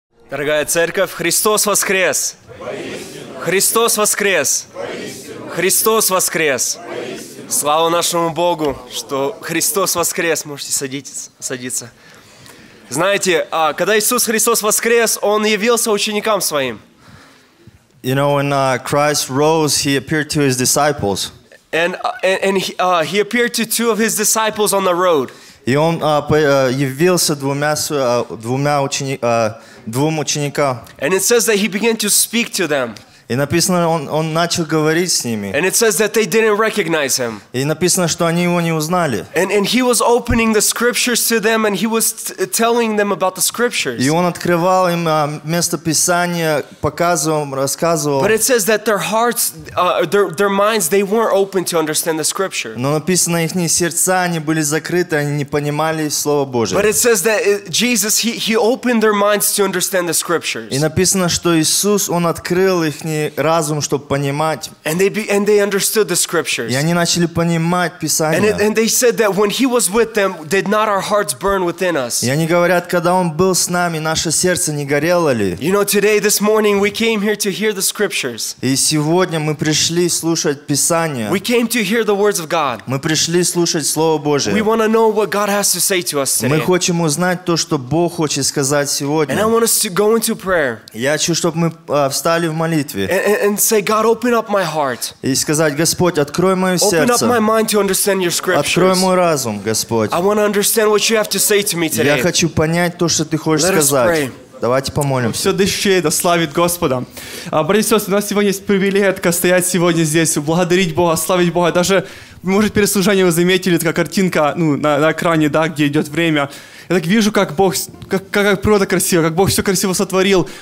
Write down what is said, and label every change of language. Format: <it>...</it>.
<ru>Дорогая церковь, Христос воскрес! Воистину! Христос воскрес! Воистину! Христос воскрес! Воистину! Слава нашему Богу, что Христос воскрес! Можете садиться. Знаете, когда Иисус Христос воскрес, Он явился ученикам Своим.</ru> <en>You know, when Christ rose, He appeared to His disciples. And he appeared to two of His disciples on the road.</en> <ru>И Он явился двум ученикам.</ru> <en>And it says that He began to speak to them.</en> <ru>И написано, он начал говорить с ними.</ru> <en>And it says that they didn't recognize Him.</en> <ru>И написано, что они Его не узнали.</ru> <en>And He was opening the Scriptures to them, and He was telling them about the Scriptures.</en> <ru>И Он открывал им место Писания, показывал, рассказывал.</ru> <en>But it says that their hearts, their minds, they weren't open to understand the Scripture.</en> <ru>Но написано, их сердца, они были закрыты, они не понимали Слово Божие.</ru> <en>But it says that Jesus, He opened their minds to understand the Scriptures.</en> <ru>И написано, что Иисус, Он открыл их разум, чтобы понимать.</ru> <en>And they understood the Scriptures.</en> <ru>И они начали понимать Писание.</ru> <en>And they said that when He was with them, did not our hearts burn within us?</en> <ru>И они говорят, когда Он был с нами, наше сердце не горело ли?</ru> <en>You know, today, this morning, we came here to hear the Scriptures.</en> <ru>И сегодня мы пришли слушать Писание.</ru> <en>We came to hear the words of God.</en> <ru>Мы пришли слушать Слово Божие.</ru> <en>We want to know what God has to say to us today.</en> <ru>Мы хотим узнать то, что Бог хочет сказать сегодня.</ru> <en>And I want us to go into prayer.</en> <ru>Я хочу, чтобы мы встали в молитве.</ru> <en>And say, God, open up my heart.</en> <ru>И сказать, Господь, открой мое сердце.</ru> <en>Open up my mind to understand your scriptures.</en> <ru>Открой мой разум, Господь.</ru> <en>I want to understand what you have to say to me today.</en> <ru>Я хочу понять то, что ты хочешь сказать. Давайте помолимся. Все дышит, да славит Господа. Братья и сестры, у нас сегодня есть привилегия стоять сегодня здесь, благодарить Бога, славить Бога. Даже, может, перед служением вы заметили, такая картинка на экране, да, где идет время. Я так вижу, как Бог, как природа красива, как Бог все красиво сотворил.</ru>